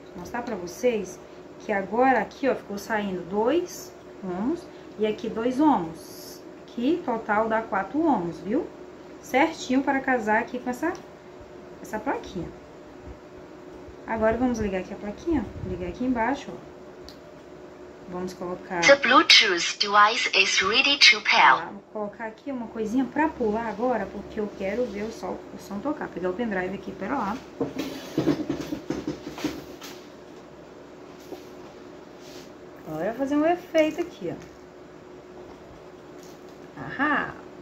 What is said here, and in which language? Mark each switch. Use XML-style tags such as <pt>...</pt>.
<pt>Vou mostrar pra vocês que agora aqui, ó. Ficou saindo 2 ohms. E aqui 2 ohms. Aqui, total dá 4 ohms, viu? Certinho para casar aqui com essa plaquinha. Agora vamos ligar aqui a plaquinha. Ligar aqui embaixo, ó. Vamos colocar.</pt> <en>The Bluetooth device is ready to pair.</en> <pt>Vou colocar aqui uma coisinha para pular agora, porque eu quero ver o som tocar. Peguei o pendrive aqui, pera lá. Agora vou fazer um efeito aqui, ó. Ahá!</pt>